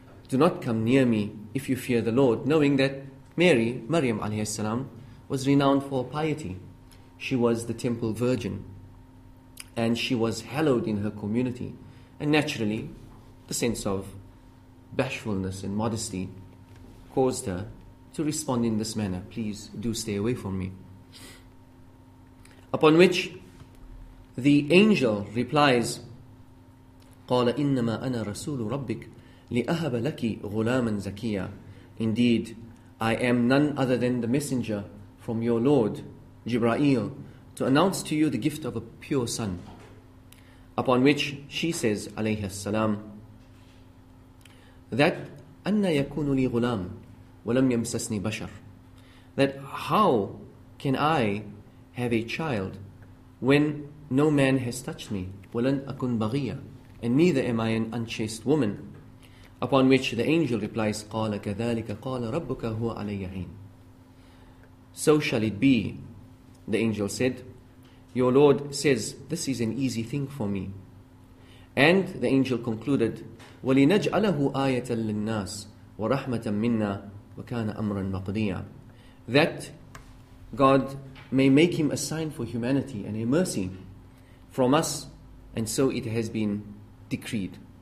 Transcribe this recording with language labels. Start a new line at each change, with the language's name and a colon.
English: Do not come near me if you fear the Lord," knowing that Mary, Maryam alayhi salam, was renowned for piety. She was the temple virgin, and she was hallowed in her community. And naturally, the sense of bashfulness and modesty caused her to respond in this manner, "Please do stay away from me." Upon which the angel replies,
Arabic: "قَالَ إِنَّمَا أَنَا رَسُولُ رَبِّكَ لِأَهَبَ لَكِ غُلَامًا زَكِيًّا."
English: Indeed, I am none other than the messenger from your Lord, Jibra'il, to announce to you the gift of a pure son. Upon which she says, alayhi salam, that
Arabic: أَنَّ يَكُونُ لِي غُلَامٌ وَلَمْ يَمْسَسْنِي بَشَرٌ,
English: that how can I have a child when no man has touched me,
Arabic: وَلَنْ أَكُنْ بَغِيًّا,
English: and neither am I an unchaste woman. Upon which the angel replies,
Arabic: "قَالَ كَذَلِكَ قَالَ رَبُّكَ هُوَ عَلَيَّ عَيْنٌ."
English: So shall it be, the angel said, your Lord says, this is an easy thing for me. And the angel concluded,
Arabic: وَلِنَجْعَلَهُ آيَةً لِلنَّاسِ وَرَحْمَةً مِنَّا وَكَانَ أَمْرًا مَقْضِيًّا,
English: that God may make him a sign for humanity and a mercy from us, and so it has been decreed.